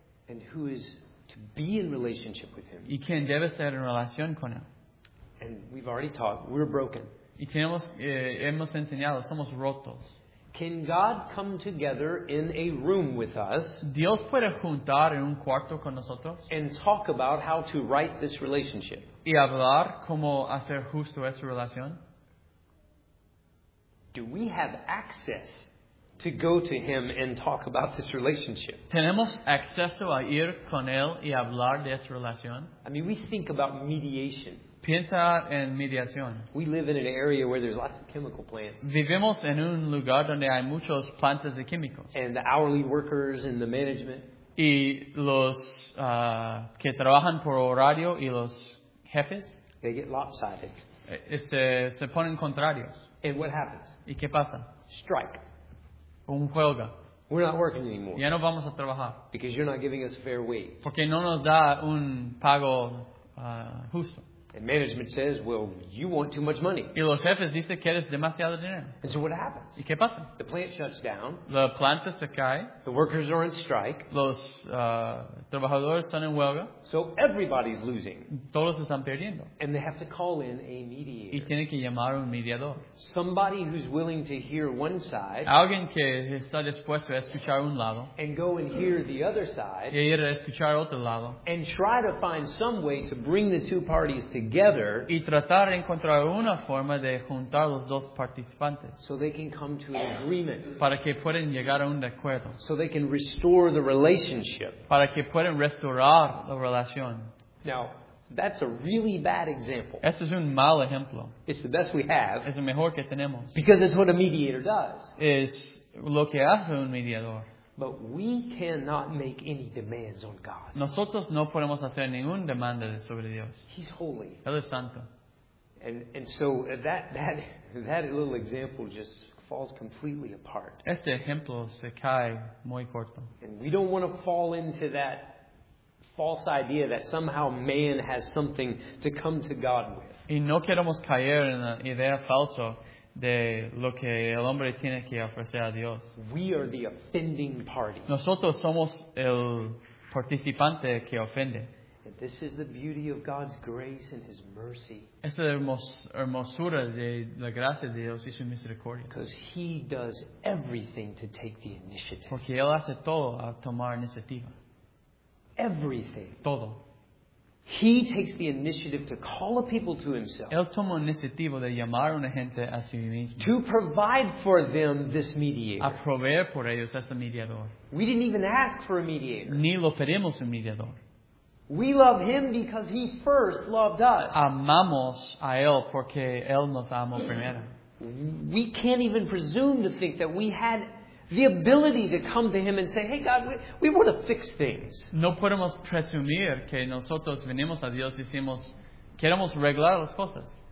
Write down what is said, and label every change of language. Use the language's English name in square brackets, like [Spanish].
[English] and who is to be in relationship with Him. [Spanish] Y quien debe estar en relación con él. [English] And we've already talked, we're broken. [Spanish] Y tenemos, hemos enseñado, somos rotos. [English] Can God come together in a room with us? [Spanish] ¿Dios puede juntar en un cuarto con nosotros? [English] And talk about how to right this relationship. [Spanish] ¿Y hablar cómo hacer justo esa relación? [English] Do we have access to go to Him and talk about this relationship? [Spanish] ¿Tenemos acceso a ir con Él y hablar de esta relación? [English] I mean, we think about mediation. [Spanish] Piensa en mediación. [English] We live in an area where there's lots of chemical plants. [Spanish] Vivimos en un lugar donde hay muchas plantas de químicos. [English] And the hourly workers and the management. [Spanish] Y los que trabajan por horario y los jefes. [English] They get lopsided. [Spanish] Se ponen contrarios. [English] And what happens? [Spanish] ¿Y qué pasa? [English] Strike. [Spanish] Un huelga. [English] We're not working anymore. [Spanish] Ya no vamos a trabajar. [English] Because you're not giving us fair wage. [Spanish] Porque no nos da un pago justo. [English] And management says, well, you want too much money. [Spanish] Y los jefes dicen que eres demasiado dinero. [English] And so what happens? [Spanish] ¿Y qué pasa? [English] The plant shuts down. [Spanish] La planta se cae. [English] The workers are on strike. [Spanish] Los trabajadores están en huelga. [English] So everybody's losing. [Spanish] Todos están perdiendo. [English] And they have to call in a mediator. [Spanish] Y tienen que llamar un mediador. [English] Somebody who's willing to hear one side. [Spanish] Alguien que está dispuesto a escuchar un lado. [English] And go and hear the other side. [Spanish] Y ir a escuchar otro lado. [English] And try to find some way to bring the two parties together, [Spanish] y tratar de encontrar una forma de juntar los dos participantes, [English] so they can come to an agreement, [Spanish] para que puedan llegar a un acuerdo, [English] so they can restore the relationship, [Spanish] para que puedan restaurar la relación. [English] Now, that's a really bad example. [Spanish] Este es un mal ejemplo. [English] It's the best we have. [Spanish] Es el mejor que tenemos. [English] Because it's what a mediator does. [Spanish] Es lo que hace un mediador. [English] But we cannot make any demands on God. [Spanish] Nosotros no podemos hacer ningún demanda sobre Dios. [English] He's holy. [Spanish] Él es santo. [English] And so that little example just falls completely apart. [Spanish] Este ejemplo se cae muy corto. [English] And we don't want to fall into that false idea that somehow man has something to come to God with. [Spanish] Y no queremos caer en la idea falsa de lo que el hombre tiene que ofrecer a Dios. [English] We are the offending party. [Spanish] Nosotros somos el participante que ofende. [English] And this is the beauty of God's grace and His mercy. [Spanish] Es la hermosura de la gracia de Dios y su misericordia. [English] Because He does everything to take the initiative. [Spanish] Porque Él hace todo a tomar iniciativa. [English] Everything. [Spanish] Todo. [English] He takes the initiative to call a people to Himself. [Spanish] Él toma iniciativa de llamar a una gente a sí mismo. [English] To provide for them this mediator. [Spanish] A proveer por ellos este mediador. [English] We didn't even ask for a mediator. [Spanish] Ni lo pedimos un mediador. [English] We love Him because He first loved us. [Spanish] Amamos a Él porque Él nos amó primero. [English] We can't even presume to think that we had the ability to come to Him and say, hey God, we want to fix things. [Spanish] No podemos presumir que nosotros venimos a Dios y decimos, queremos arreglar las cosas.